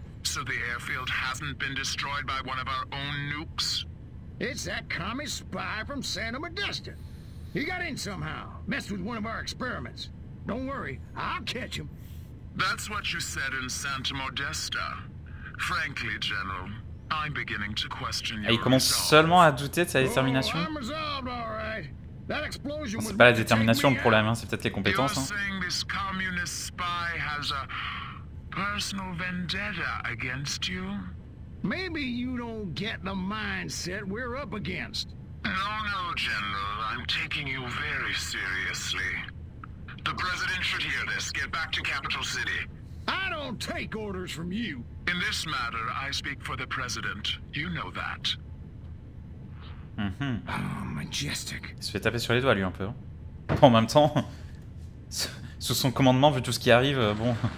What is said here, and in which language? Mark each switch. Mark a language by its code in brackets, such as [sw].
[en] So the airfield hasn't been destroyed by one of our own nukes? It's that commie spy from Santa Modesta. He got in somehow, messed with one of our experiments. Don't worry, I'll catch him. That's what you said in Santa Modesta. Frankly, General, I'm beginning to question your... [fr] Et il commence seulement à douter de sa détermination. [en] Oh, resolved, right. That explosion [fr] c'est pas la détermination le problème, hein. C'est peut-être les compétences. [en] You're saying this communist spy has a personal vendetta against you? Maybe you don't get the mindset we're up against. No, no, General. I'm taking you very seriously. The President should hear this. Get back to Capital City. I don't take orders from you. In this matter, I speak for the President. You know that. Mm-hmm. Oh, majestic. [fr] Il se fait taper sur les doigts, lui, un peu. Bon, en même temps, sous son commandement, vu tout ce qui arrive, bon...